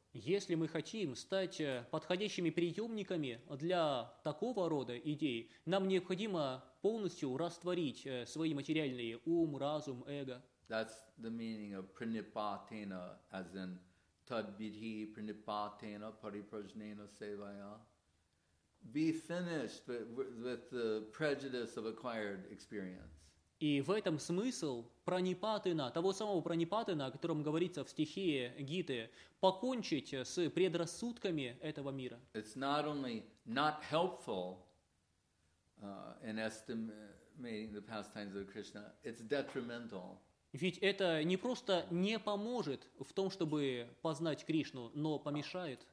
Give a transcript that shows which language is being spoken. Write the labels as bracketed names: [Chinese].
[Russian] Если мы хотим стать подходящими приемниками для такого рода идей, нам необходимо полностью растворить свои материальные ум, разум, эго. [English] That's the meaning of pranipatena, as in [Sanskrit] tadbidhi pranipatena pariprajnena sevaya. [English] Be finished with the prejudice of acquired experience. [Russian] И в этом смысл пранипатена, того самого пранипатена, о котором говорится в стихе Гиты, покончить с предрассудками этого мира. [English] It's not only not helpful in estimating the pastimes of Krishna, it's detrimental. [Russian] Ведь это не просто не поможет в том, чтобы познать Кришну, но помешает.